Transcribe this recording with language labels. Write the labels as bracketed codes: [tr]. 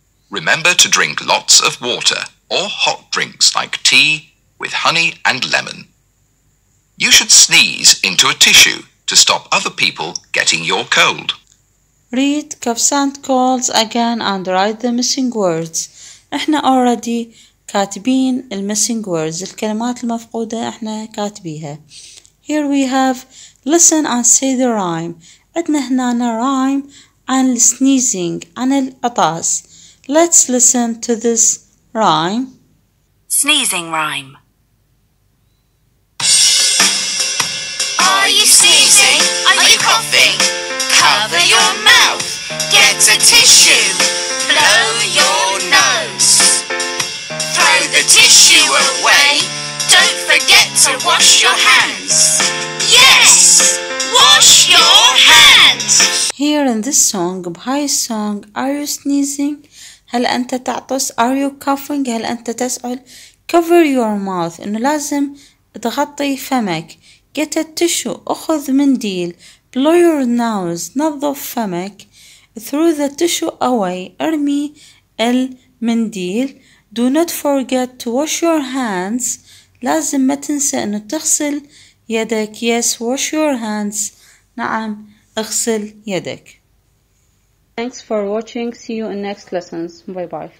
[en] Remember to drink lots of water or hot drinks like tea with honey and lemon. You should sneeze into a tissue to stop other people getting your cold. Read coughs and colds again and write the missing words. [ar] احنا already كاتبين الـ [en] missing words [ar] الكلمات المفقودة احنا كاتبيها. [en] Here we have listen and say the rhyme. عندنا هنا rhyme عن sneezing عن العطاس. Let's listen to this rhyme. Sneezing rhyme. Are you sneezing? Are you coughing? Cover your mouth. Get a tissue. Blow your nose. Throw the tissue away. Don't forget to wash your hands. Yes! Wash your hands! Here in this song, Bhai song, are you sneezing? [ar] هل أنت تعطس؟ [en] Are you coughing؟ [ar] هل أنت تسعل؟ [en] Cover your mouth. [ar] إنه لازم تغطي فمك. [en] Get a tissue. [ar] أخذ منديل. [en] Blow your nose. [ar] نظف فمك. [en] Throw the tissue away. [ar] أرمي المنديل. [en] Do not forget to wash your hands. [ar] لازم ما تنسى إنه تغسل يدك. [en] Yes, wash your hands. [ar] نعم، اغسل يدك. [en] Thanks for watching. See you in next lessons. Bye-bye.